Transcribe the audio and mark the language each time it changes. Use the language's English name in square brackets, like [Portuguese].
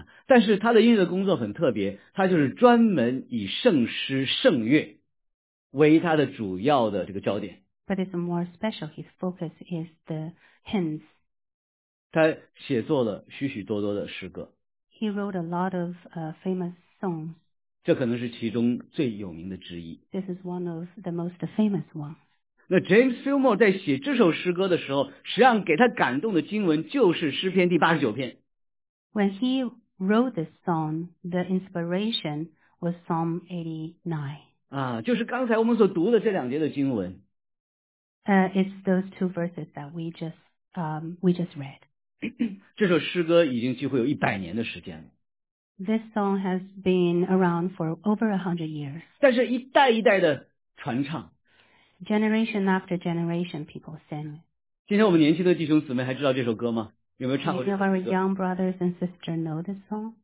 [Chinese] 但是他的音乐的工作很特别，他就是专门以圣诗圣乐为他的主要的这个焦点。 [English] But it's more special. His focus is the hymns. [Chinese] 他写作了许许多多的诗歌。 [English] He wrote a lot of famous songs. [Chinese] 这可能是其中最有名的之一。 [English] This is one of the most famous ones. [Chinese] 那 James Fillmore 在写这首诗歌的时候，实际上给他感动的经文就是诗篇第89篇。 [English] When he wrote this song, the inspiration was Psalm 89. [Chinese] 啊，就是刚才我们所读的这两节的经文。 [English] It's those two verses that we just read. [Chinese] 这首诗歌已经几乎有100年的时间了。 [English] This song has been around for over 100 years. [Chinese] 但是一代一代的传唱。 [English] Generation after generation, people sing. [Chinese] 今天我们年轻的弟兄姊妹还知道这首歌吗？有没有唱过这首歌？ [English] Do our young brothers and sisters know this song?